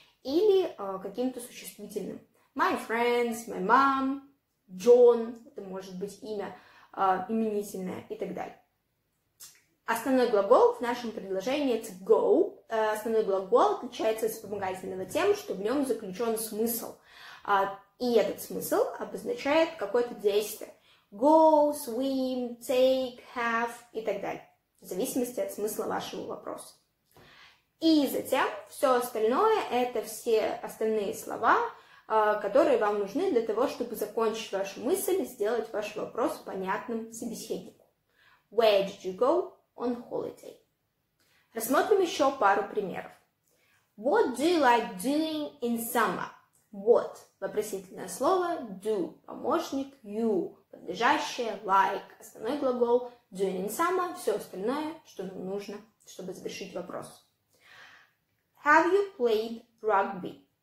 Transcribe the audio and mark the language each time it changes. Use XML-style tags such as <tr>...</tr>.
<ru>Или каким-то существительным.</ru> <en>My friends, my mom, John,</en> <ru>это может быть имя именительное и так далее. Основной глагол в нашем предложении это go. Основной глагол отличается от вспомогательного тем, что в нем заключен смысл. И этот смысл обозначает какое-то действие.</ru> <en>Go, swim, take, have</en> <ru>и так далее. В зависимости от смысла вашего вопроса. И затем все остальное – это все остальные слова, которые вам нужны для того, чтобы закончить вашу мысль и сделать ваш вопрос понятным собеседнику.</ru> <en>Where did you go on holiday?</en> <ru>Рассмотрим еще пару примеров.</ru> <en>What do you like doing in summer?</en> <ru>What – вопросительное слово, do – помощник, you – подлежащее, like – основной глагол,</ru> <en>doing in summer</en> <ru>– все остальное, что нам нужно, чтобы завершить вопрос.</ru> <en>Have you played rugby?</en>